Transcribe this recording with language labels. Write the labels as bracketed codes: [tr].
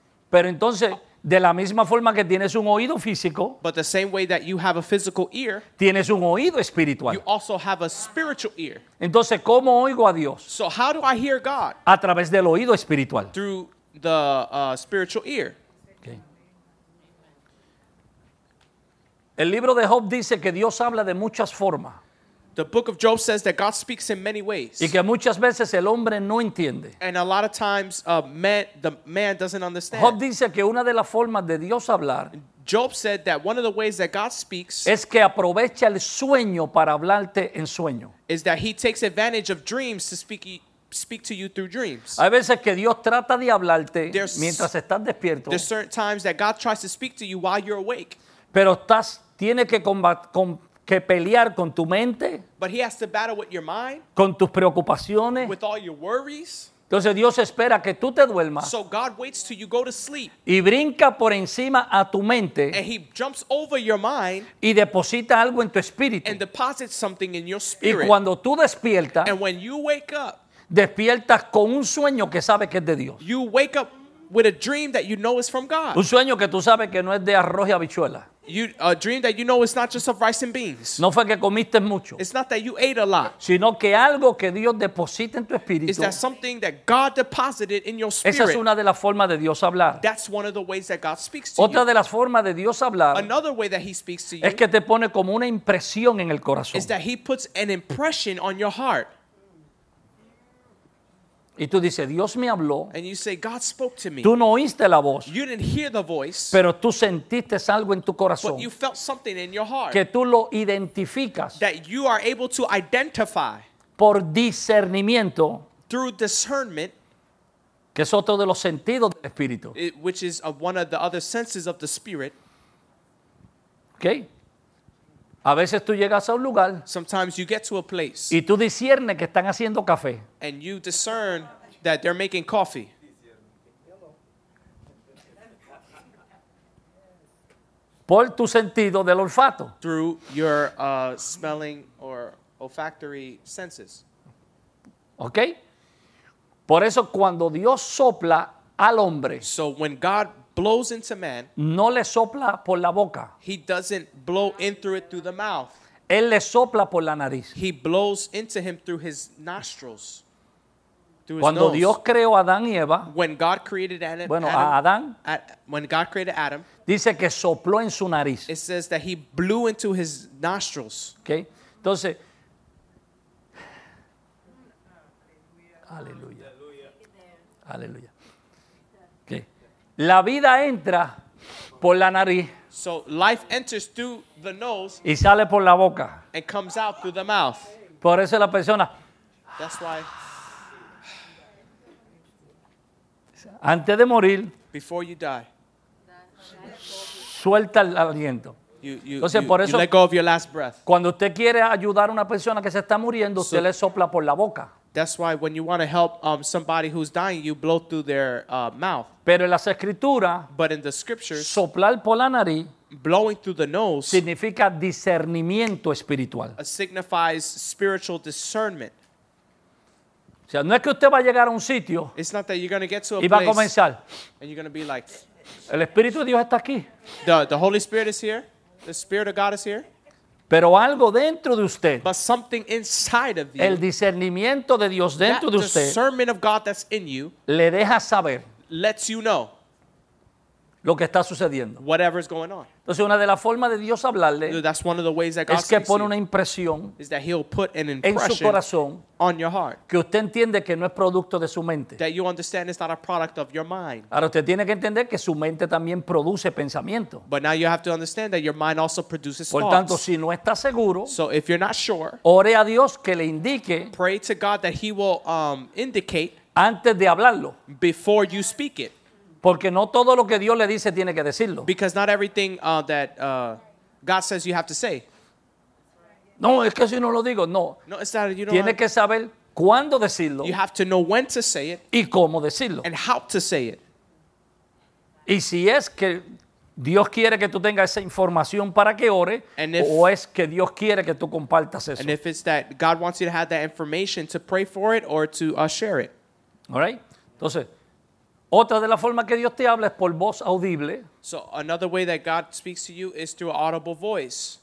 [es] Pero entonces, de la misma forma que tienes un oído físico, [en] but the same way that you have a physical ear, [es] tienes un oído espiritual. [en] You also have a spiritual ear. [es] Entonces, ¿cómo oigo a Dios? [en] So how do I hear God? [es] A través del oído espiritual. [en] Through the spiritual ear. Okay. [es] El libro de Job dice que Dios habla de muchas formas. [en] The book of Job says that God speaks in many ways. [es] Y que muchas veces el hombre no entiende. [en] And a lot of times the man doesn't understand. [es] Job dice que una de las formas de Dios hablar, [en] Job said that one of the ways that God speaks, [es] es que aprovecha el sueño para hablarte en sueño. [en] Is that he takes advantage of dreams to speak to you through dreams. [es] Hay veces que Dios trata de hablarte mientras estás despierto. [en] There's certain times that God tries to speak to you while you're awake. [es] Pero estás tiene que que pelear con tu mente, [en] but he has to battle with your mind, [es] con tus preocupaciones, [en] with all your worries. [es] Entonces Dios espera que tú te duermas, [en] so God waits till you go to sleep, [es] y brinca por encima a tu mente, [en] and he jumps over your mind, [es] y deposita algo en tu espíritu, [en] and deposits something in your spirit. [es] Y cuando tú despiertas, [en] and when you wake up, [es] despiertas con un sueño que sabes que es de Dios. [en] You wake up with a dream that you know is from God. [es] Un sueño que tú sabes que no es de arroz y habichuela. [en] A dream that you know is not just of rice and beans. [es] No fue que comiste mucho. [en] It's not that you ate a lot. [es] Sino que algo que Dios deposita en tu espíritu. [en] Is that something that God deposited in your spirit. [es] Esa es una de las formas de Dios hablar. [en] That's one of the ways that God speaks to [es] otra [en] you. [es] Otra de las formas de Dios hablar. [en] Another way that he speaks to you. [es] Es que te pone como una impresión en el corazón. [en] Is that he puts an impression on your heart. [es] Y tú dices, Dios me habló. [en] And you say, God spoke to me. [es] Tú no oíste la voz. [en] You didn't hear the voice. [es] Pero tú sentiste algo en tu corazón. [en] But you felt something in your heart. [es] Que tú lo identificas. [en] That you are able to identify. [es] Por discernimiento. [en] Through discernment. [es] Que es otro de los sentidos del espíritu. [en] Which is one of the other senses of the spirit. Okay. [es] A veces tú llegas a un lugar. [en] Sometimes you get to a place. [es] Y tú discernes que están haciendo café. [en] And you discern that they're making coffee. [es] Por tu sentido del olfato. [en] Through your smelling or olfactory senses. Okay. [es] Por eso cuando Dios sopla al hombre. [en] So when God blows into man. [es] No le sopla por la boca. [en] He doesn't blow in through it through the mouth. [es] Él le sopla por la nariz. [en] He blows into him through his nostrils. Through [es] cuando [en] his nose. [es] Dios creó a Adán y Eva. [en] When God created Adam. [es] Bueno, [en] Adam, [es] a Adán. [en] When God created Adam. [es] Dice que sopló en su nariz. [en] It says that he blew into his nostrils. [es] Okay. Entonces. Aleluya. Aleluya. La vida entra por la nariz. [en] So life enters through the nose. [es] Y sale por la boca. [en] And comes out through the mouth. [es] Por eso la persona. [en] That's why. [es] Antes de morir. [en] Before you die. [es] Suelta el aliento. Entonces, por eso, [en] you let go of your last breath. [es] Cuando usted quiere ayudar a una persona que se está muriendo, usted le sopla por la boca. [en] That's why when you want to help somebody who's dying, you blow through their mouth. [es] Pero en las escrituras, [en] but in the scriptures, [es] soplar por la nariz, [en] blowing through the nose, [es] significa discernimiento espiritual. [en] Signifies spiritual discernment. [es] O sea, no es que usted va a llegar a un sitio, [en] it's not that you're going to get to a [es] y [en] place, [es] va a comenzar, [en] and you're going to be like, [es] el Espíritu de Dios está aquí. [en] The Holy Spirit is here. The Spirit of God is here. [es] Pero algo dentro de usted. [en] But something inside of you. [es] El discernimiento de Dios dentro de usted. [en] That discernment of God that's in you. [es] Le deja saber. [en] Lets you know. [es] lo que está sucediendo. [en] Whatever is going on. [es] Entonces, una de las formas de Dios hablarle, [en] that's one of the ways that God [es] es que pone una impresión en su corazón, [en] on your heart, [es] que usted entiende que no es producto de su mente. [en] That you understand it's not a product of your mind. [es] Ahora usted tiene que entender que su mente también produce pensamiento. [en] But now you have to understand that your mind also produces thoughts. [es] Por tanto, si no está seguro, [en] so if you're not sure, [es] ore a Dios que le indique, [en] pray to God that he will indicate, [es] antes de hablarlo, [en] before you speak it. [es] Porque no todo lo que Dios le dice tiene que decirlo. [en] Because not everything that God says you have to say. [es] No, es que si no lo digo, no. [en] No, it's not, you know, [es] tiene que saber cuándo decirlo. [en] You have to know when to say it. [es] Y cómo decirlo. [en] And how to say it. [es] Y si es que Dios quiere que tú tengas esa información para que ore, o es que Dios quiere que tú compartas eso. [en] And if it's that God wants you to have that information to pray for it or to share it. All right? [es] Entonces, otra de las formas que Dios te habla es por voz audible. [en] So another way that God speaks to you is through an audible voice.